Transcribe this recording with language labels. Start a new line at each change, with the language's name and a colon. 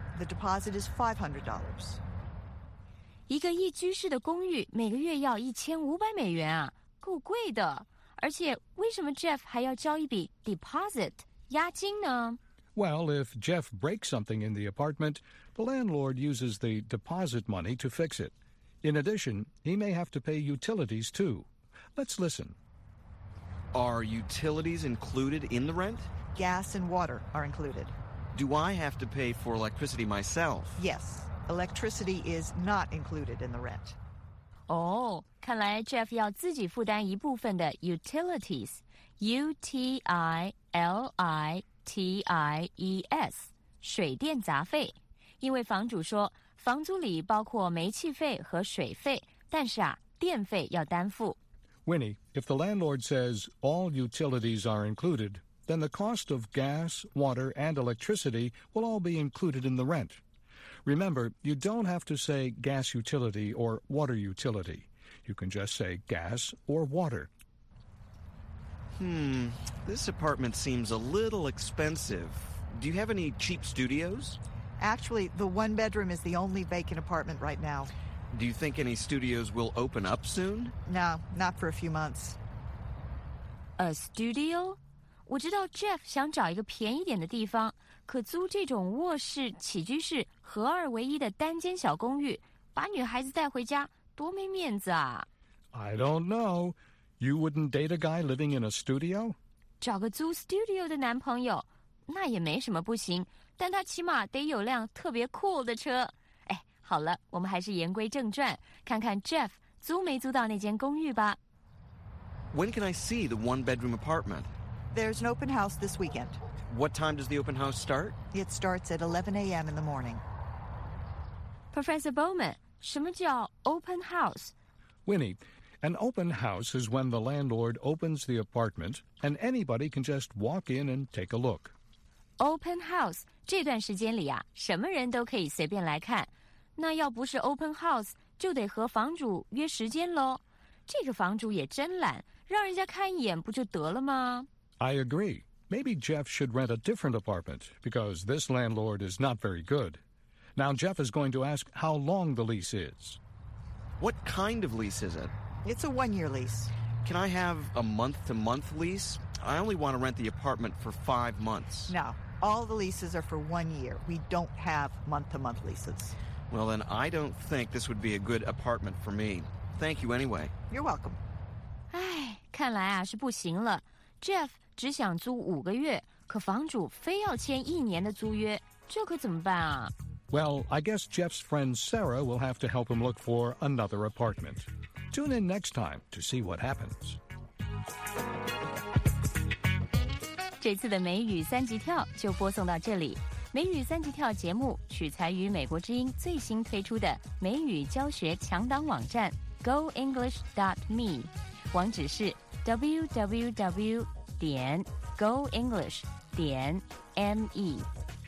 English: The deposit is $500.
Chinese: 一个一居室的公寓每个月要$1,500啊，够贵的。而且为什么 Jeff 还要交一笔 deposit, 押金呢？
English: Well, if Jeff breaks something in the apartment, the landlord uses the deposit money to fix it. In addition, he may have to pay utilities, too. Let's listen. Are utilities included in the rent? Gas and water are included. Do I have to pay for electricity myself? Yes. Electricity is not included in the rent.
Chinese: Oh, 看来 Jeff 要自己负担一部分的 utilities. U-T-I-L-I-T-I-E-S 水电杂费，因为房主说房租里包括煤气费和水费，但是啊，电费要担负。
English: Winnie, if the landlord says all utilities are included, then the cost of gas, water, and electricity will all be included in the rent. Remember, you don't have to say gas utility or water utility. You can just say gas or water. This apartment seems a little expensive. Do you have any cheap studios? Actually, the one bedroom is the only vacant apartment right now. Do you think any studios will open up soon? No, not for a few months. A studio?
Chinese: 我知道 Jeff 想找一个便宜点的地方，可租这种卧室、起居室合二为一的单间小公寓，把女孩子带回家，多没面子啊。
English: I don't know. You wouldn't date a guy living in a studio?
Chinese: 找个租 studio 的男朋友，那也没什么不行，但他起码得有辆特别 cool 的车。哎，好了，我们还是言归正传，看看 Jeff 租没租到那间公寓吧。
English: When can I see the one-bedroom apartment? There's an open house this weekend. What time does the open house start? It starts at 11 a.m. in the morning.
Chinese: Professor Bowman, 什么叫 open house?
English: Winnie,An open house is when the landlord opens the apartment and anybody can just walk in and take a look.
Chinese: Open house, 这段时间里啊，什么人都可以随便来看。那要不是 open house, 就得和房主约时间咯。这个房主也真懒，让人家看一眼不就得了吗？
English: I agree. Maybe Jeff should rent a different apartment because this landlord is not very good. Now Jeff is going to ask how long the lease is. What kind of lease is it? It's a one-year lease. Can I have a month-to-month lease? I only want to rent the apartment for 5 months. No, all the leases are for 1 year. We don't have month-to-month leases. Well, then I don't think this would be a good apartment for me. Thank you anyway. You're welcome.
Chinese: 哎，看来啊是不行了。 Jeff 只想租五个月，可房主非要签一年的租约，这可怎么办啊？
English: Well, I guess Jeff's friend Sarah will have to help him look for another apartment. Tune in next time to see what happens.
Chinese: 这次的美语三级跳就播送到这里。美语三级跳节目取材于美国之音最新推出的美语教学强档网站 goenglish.me， 网址是 www.goenglish.me。